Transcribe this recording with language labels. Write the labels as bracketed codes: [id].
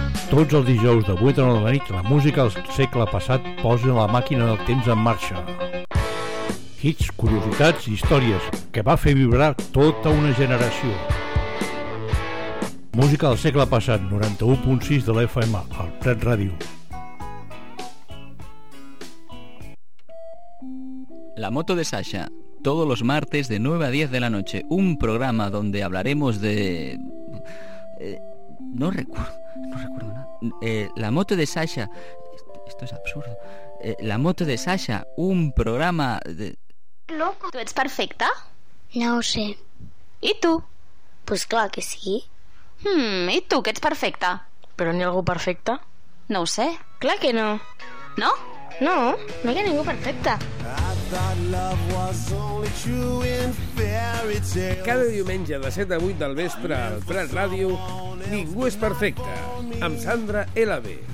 [ca] Tots els dijous de 8 a 9 de la nit, la música del segle passat posa la màquina del temps en marxa. Hits, curiositats i històries que va fer vibrar tota una generació. Música del segle passat, 91.6 de l'FM, al Prat Ràdio. [es] La moto de Sasha, todos los martes de 9 a 10 de la noche, un programa donde hablaremos de... No recuerdo nada. La moto de Sasha... Esto es absurdo. La moto de Sasha, un programa de... Loco, ¿tú eres perfecta? [ca] No ho sé. [es] ¿Y tú? Pues claro que sí. ¿Y tú, que [ca] ets perfecta? [es] ¿Pero ni algo perfecta? [ca] No ho sé. [es] Claro que no. ¿No? No, no hay ningún perfecta. [ca] Cada diumenge de 7 a 8 del vespre al Prat Ràdio, Ningú és perfecte, amb Sandra L.B.